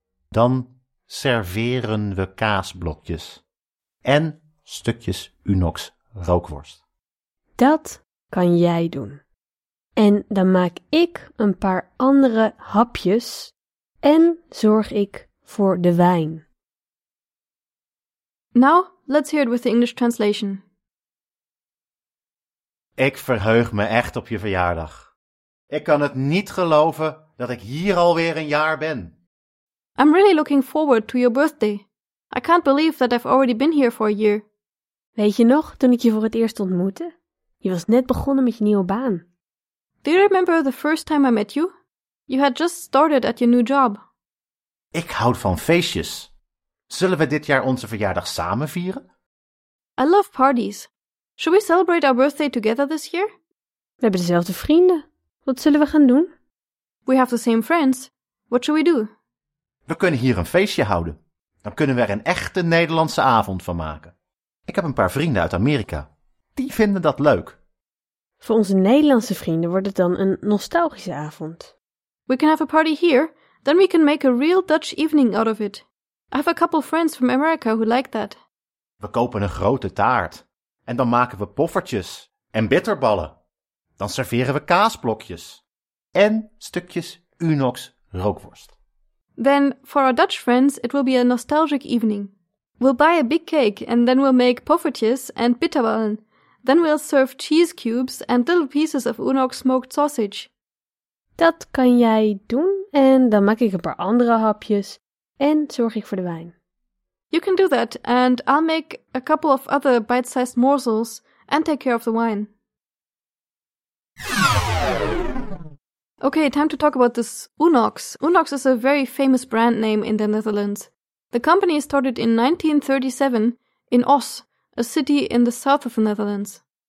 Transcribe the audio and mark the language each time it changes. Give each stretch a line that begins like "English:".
Dutch: Dan serveren we kaasblokjes en stukjes Unox rookworst. Dat kan jij doen. En dan maak ik een paar andere hapjes en zorg ik voor de wijn.
English: Now, let's hear it with the English translation.
Dutch: Ik verheug me echt op je verjaardag. Ik kan het niet geloven dat ik hier alweer een jaar ben.
English: I'm really looking forward to your birthday. I can't believe that I've already been here for a year.
Dutch: Weet je nog, toen ik je voor het eerst ontmoette? Je was net begonnen met je nieuwe baan.
English: Do you remember the first time I met you? You had just started at your new job.
Dutch: Ik houd van feestjes. Zullen we dit jaar onze verjaardag samen vieren?
English: I love parties. Should we celebrate our birthday together this year?
Dutch: We hebben dezelfde vrienden. Wat zullen we gaan doen?
English: We have the same friends. What should we do?
Dutch: We kunnen hier een feestje houden. Dan kunnen we er een echte Nederlandse avond van maken. Ik heb een paar vrienden uit Amerika. Die vinden dat leuk. Voor onze Nederlandse vrienden wordt het dan een nostalgische avond.
English: We can have a party here, then we can make a real Dutch evening out of it. I have a couple friends from America who like that.
Dutch: We kopen een grote taart. En dan maken we poffertjes en bitterballen. Dan serveren we kaasblokjes en stukjes Unox rookworst.
English: Then, for our Dutch friends, it will be a nostalgic evening. We'll buy a big cake and then we'll make poffertjes and bitterballen. Then we'll serve cheese cubes and little pieces of Unox smoked sausage.
Dutch: Dat kan jij doen en dan maak ik een paar andere hapjes en zorg ik voor de wijn.
English: You can do that and I'll make a couple of other bite-sized morsels and take care of the wine. Okay, time to talk about this Unox. Unox is a very famous brand name in the Netherlands. The company started in 1937 in Os, a city in the south of the Netherlands.